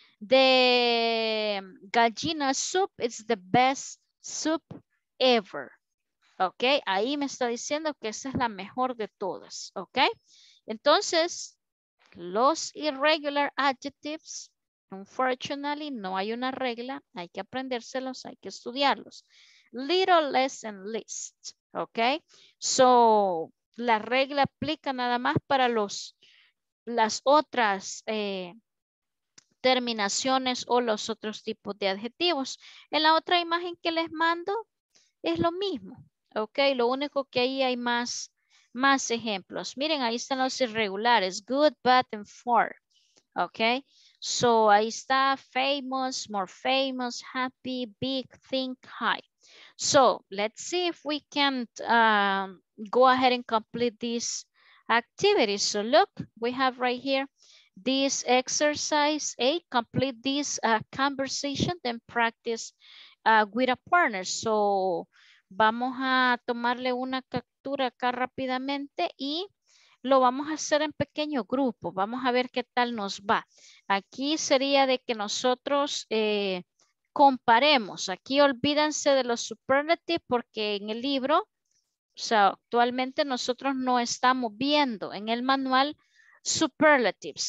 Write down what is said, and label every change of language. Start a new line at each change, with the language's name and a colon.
English: The gallina soup is the best soup ever.
Spanish: Ok, ahí me está diciendo que esa es la mejor de todas. Ok, entonces los
English: irregular adjectives, unfortunately,
Spanish: no hay una regla. Hay que aprendérselos, hay que estudiarlos. Little, less, and least. Ok, so la regla aplica nada más para las otras terminaciones o los otros tipos de adjetivos. En la otra imagen que les mando es lo mismo. Ok, lo único que ahí hay más ejemplos. Miren, ahí están los irregulares, good, bad, and for. Ok, so ahí está famous, more famous, happy, big, think, high.
English: So, let's see if we can go ahead and complete this activity. So, look, we have right here this exercise A, complete this conversation, then practice with a partner.
Spanish: So, vamos a tomarle una captura acá rápidamente y lo vamos a hacer en pequeño grupo. Vamos a ver qué tal nos va. Aquí sería de que nosotros comparemos. Aquí olvídense de los superlatives porque en el libro, o sea, actualmente nosotros no estamos viendo en el manual superlatives.